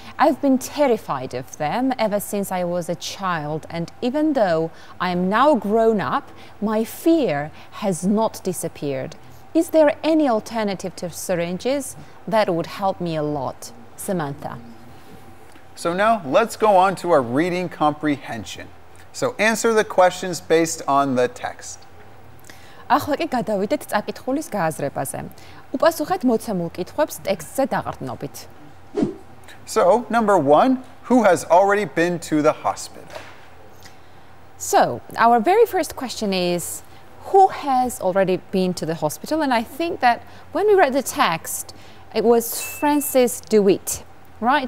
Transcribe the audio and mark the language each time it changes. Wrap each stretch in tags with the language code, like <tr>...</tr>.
<en>I've been terrified of them ever since I was a child, and even though I am now grown up, my fear has not disappeared. Is there any alternative to syringes? That would help me a lot. Samantha. So now let's go on to our reading comprehension. So answer the questions based on the text.</en> <ka>ახლა კი გადავიდეთ წაკითხულის გააზრებაზე. Უპასუხეთ მოცემულ კითხვებს ტექსტზე დაყრდნობით.</ka> <en>So, number one, who has already been to the hospital? So, our very first question is, who has already been to the hospital? And I think that when we read the text, it was Frances DeWitt, right?</en>